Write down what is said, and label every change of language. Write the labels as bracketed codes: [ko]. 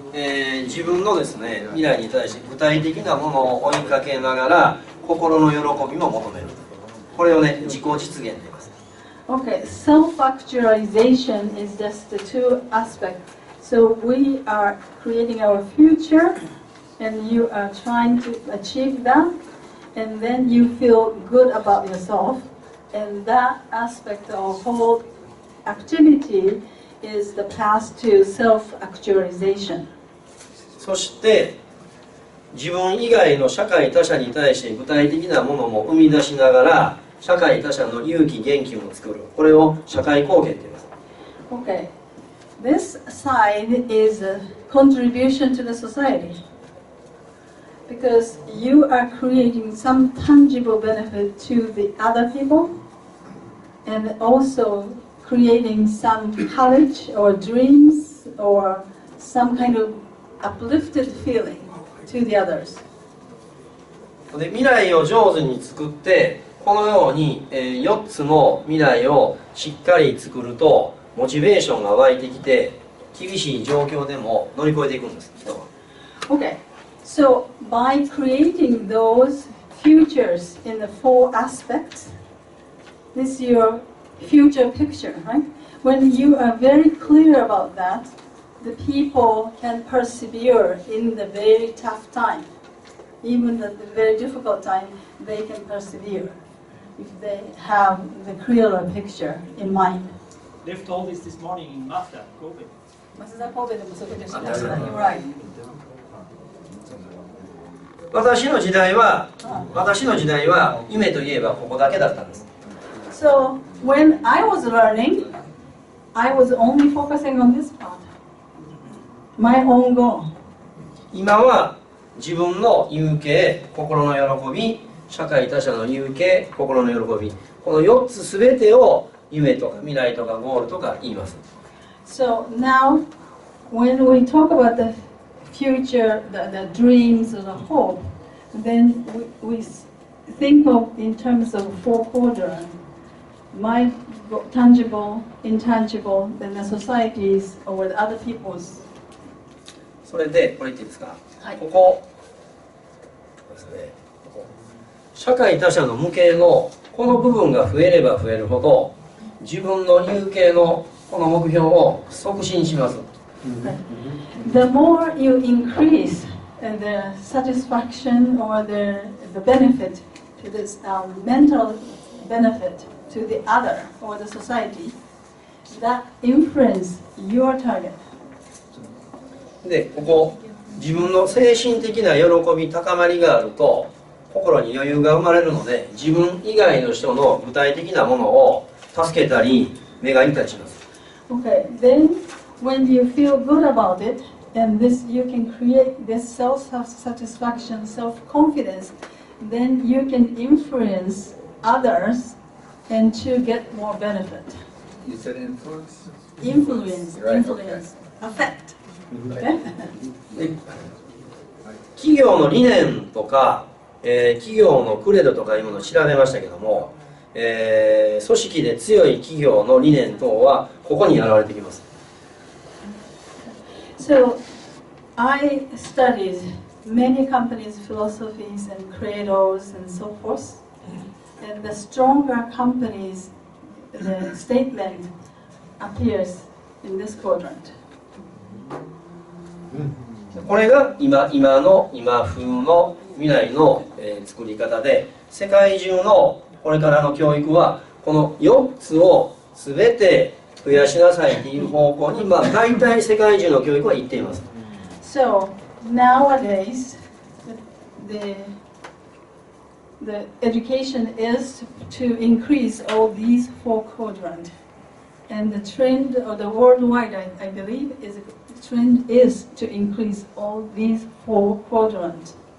[ja] 自分のですね、未来に対して具体的なものを追いかけながら心の喜びも求める。これをね、自己実現と言います。 [en] Okay, self-actualization is just the two aspects. So we are creating our future, and you are trying to achieve that, and then you feel good about yourself, and that aspect of whole activity is the path to self-actualization. [ja] そして自分以外の社会他者に対して具体的なものも生み出しながら社会他者の勇気元気も作る。これを社会貢献と言います。 [en] Okay, this side is a contribution to the society because you are creating some tangible benefit to the other people and also creating some courage or dreams or some kind of uplifted feeling to the others. [ja] で未来を上手に作ってこのように、4つの未来をしっかり作るとモチベーションが湧いてきて厳しい状況でも乗り越えていくんです。人は。 [en] Okay. So by creating those futures in the four aspects, this is your future picture, right? When you are very clear about that, the people can persevere in the very tough time. Even at the very difficult time, they can persevere. If they have the clearer picture in mind. They've told us this morning in Masda, Kobe. [ja] Masda, Kobe, でもそこでしました。 [en] You're right. [ja] 私の時代は夢といえばここだけだったんです。 [en] So when I was learning, I was only focusing on this part. My own goal. [ja] 今は自分の夢、心の喜び、社会他者の勇気、心の喜び、この4つすべてを夢とか未来とかゴールとか言います。 [en] So now, when we talk about the future, the dreams and the hope, then we think of in terms of four quadrants, my tangible, intangible, then the societies or the other people's. [ja] それで、これ言っていいですか、はい、ここですね。社会他者の無形のこの部分が増えれば増えるほど自分の有形のこの目標を促進します。 [en] The more you increase the satisfaction or the benefit to this mental benefit to the other or the society, that influence your target. [ja] で、ここ自分の精神的な喜び高まりがあると心に余裕が生まれるので、自分以外の人の具体的なものを助けたり、目がいたします。 [en] Okay, then when you feel good about it, and this you can create this self-satisfaction, self-confidence, then you can influence others and to get more benefit. You said influence? Influence. Affect. Right. [ja] 企業の理念とか、企業のクレドとかいうものを調べましたけども、組織で強い企業の理念等はここに現れてきます。 [en] So I studied many companies' philosophies and credos and so forth. And the stronger companies, the statement appears in this quadrant. [ja] これが今風の未来の作り方で、世界中のこれからの教育はこの4つを全て増やしなさいという方向に、まあ、大体世界中の教育は行っています。 [en] So nowadays the education is to increase all these four quadrants and the trend of the worldwide I believe is the trend is to increase all these four quadrants.